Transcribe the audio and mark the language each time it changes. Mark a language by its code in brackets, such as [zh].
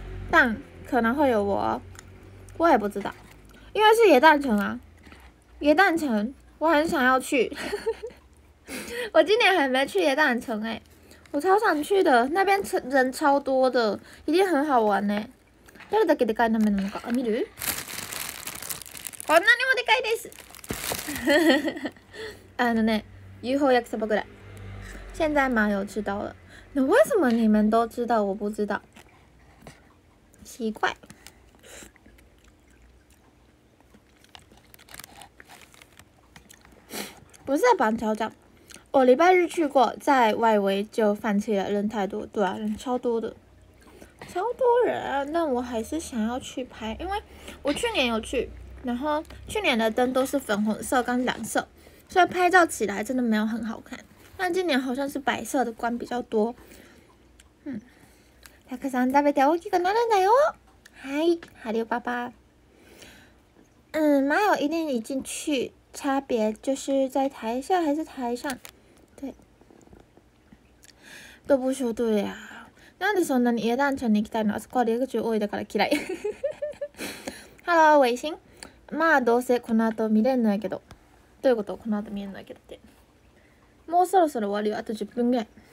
[zh] 但可能会有我，我也不知道，因为是野诞城啊，野诞城我很想要去。我今年还没去野诞城哎，我超想去的，那边人超多的，一定很好玩呢。 [ja] どれだけでかいなめなのか、あ、見る？こんなにもでかいです。あのね、UFO 焼きそばぐらい。 [zh] 现在麻友知道了，那为什么你们都知道，我不知道？奇怪，不是在板桥站。我礼拜日去过，在外围就放弃了，人太多。对啊，人超多的，超多人。那我还是想要去拍，因为我去年有去，然后去年的灯都是粉红色跟蓝色，所以拍照起来真的没有很好看。那今年好像是白色的光比较多。 [ja] たくさん食べて大きくなるんだよ。はい、ハリオパパ。 [zh] マヨ一定已经去，差别就是在台下还是台上。对。都不说对呀。 [ja] なんでそんなに野蛋城に行きたいの？あそこは出口多いだから嫌い。 [en] Hello， 微信。 [ja] まあどうせこの後見れんのやけど。どういうこと？この後見れんのやけどって。もうそろそろ終わるよ。あと10分ぐらい。